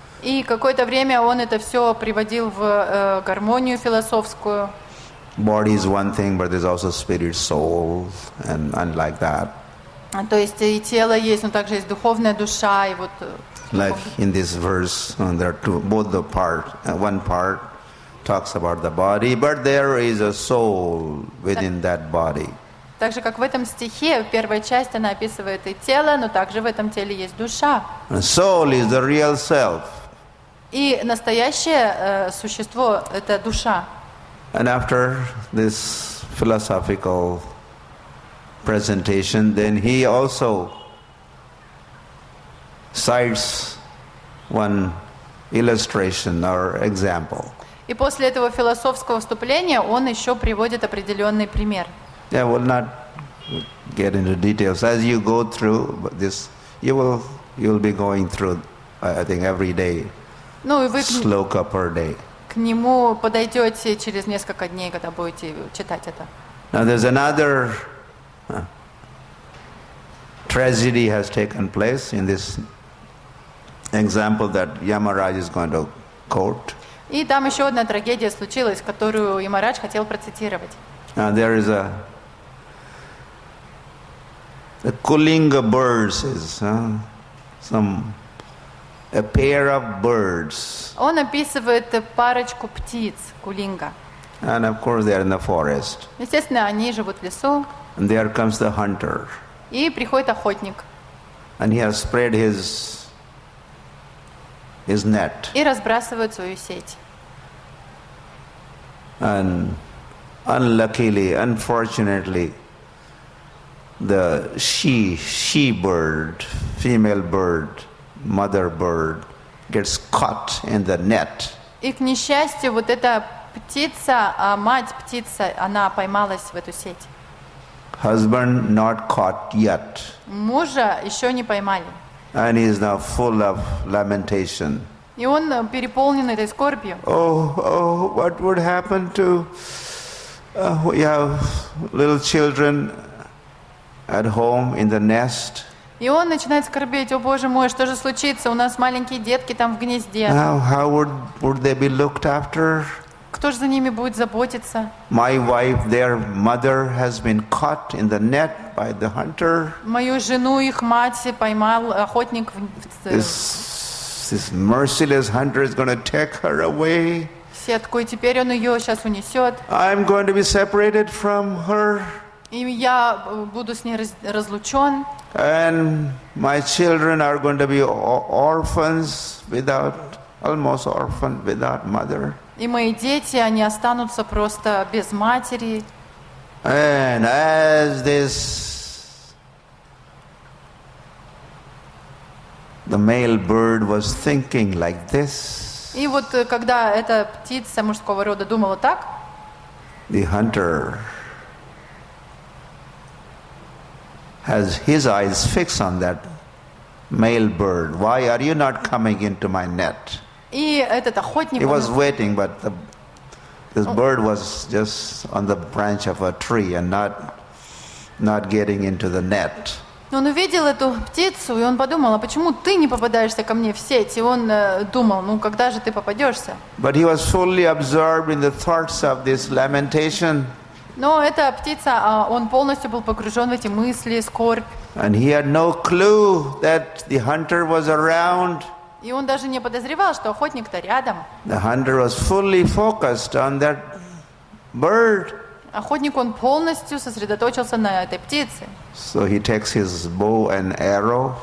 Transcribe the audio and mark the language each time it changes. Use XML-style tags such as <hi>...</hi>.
<ru>И какое-то время он это все приводил в гармонию философскую.</ru> <en>Body is one thing, but there's also spirit, soul, and like that.</en> <ru>То есть и тело есть, но также есть духовная душа и вот.</ru> <en>Like in this verse, there are two, both the part, one part talks about the body, but there is a soul within that body.</en> <ru>Также как в этом стихе, в первой части она описывает и тело, но также в этом теле есть душа.</ru> <en>And soul is the real self.</en> <ru>И настоящее существо – это душа.</ru> <en>And after this philosophical presentation, then he also cites one illustration or example.</en> <ru>И после этого философского вступления он еще приводит определенный пример.</ru> <en>I will not get into details. As you go through this, you will be going through, I think, every day.</en> <ru>Ну и вы</ru> <en>слока per day.</en> <ru>К нему подойдете через несколько дней, когда будете читать это.</ru> <en>Now there's another tragedy has taken place in this example that Yamaraj is going to quote.</en> <ru>И там еще одна трагедия случилась, которую Ямарадж хотел процитировать.</ru> <en>There is a Kulinga birds is a pair of birds.</en> <ru>Он описывает парочку птиц Кулинга.</ru> <en>And of course they are in the forest.</en> <ru>Естественно, они живут в лесу.</ru> <en>And there comes the hunter.</en> <ru>И приходит охотник.</ru> <en>And he has spread his net.</en> <ru>И разбрасывает свою сеть.</ru> <en>And unluckily, unfortunately, the she bird, female bird, mother bird, gets caught in the net.</en> <ru>И к несчастью, вот эта птица, мать птица, она поймалась в эту сеть.</ru> <en>Husband not caught yet.</en> <ru>Мужа еще не поймали.</ru> <en>And he is now full of lamentation.</en> <ru>И он переполнен этой скорбью.</ru> <en>Oh, what would happen to we have little children at home in the nest?</en> <ru>И он начинает скорбеть: о боже мой, что же случится? У нас маленькие детки там в гнезде.</ru> <en>How would they be looked after?</en> <ru>Кто же за ними будет заботиться?</ru> <en>My wife, their mother, has been caught in the net by the hunter.</en> <ru>Мою жену, их мать, поймал охотник в</ru> <en>This merciless hunter is going to take her away.</en> <ru>Все такой, теперь он ее сейчас унесет.</ru> <en>I'm going to be separated from her.</en> <ru>И я буду с ней разлучен.</ru> <en>And my children are going to be orphans, without almost orphan, without mother.</en> <ru>И мои дети, они останутся просто без матери.</ru> <en>And as this the male bird was thinking like this.</en> <ru>И вот когда эта птица мужского рода думала так,</ru> <en>the hunter has his eyes fixed on that male bird. Why are you not coming into my net?</en> <ru>И этот охотник,</ru> <en>he was waiting, but this bird was just on the branch of a tree and not getting into the net.</en> <ru>Он увидел эту птицу, и он подумал: а почему ты не попадаешься ко мне в сеть? И он думал: ну когда же ты попадешься?</ru> <en>But he was fully absorbed in the thoughts of this lamentation.</en> <ru>Но эта птица, он полностью был погружен в эти мысли, скорбь.</ru> <en>And he had no clue that the hunter was around.</en> <ru>И он даже не подозревал, что охотник-то рядом.</ru> <en>The hunter was fully focused on that bird.</en> <ru>Охотник, он полностью сосредоточился на этой птице.</ru> <en>So he takes his bow and arrow.</en>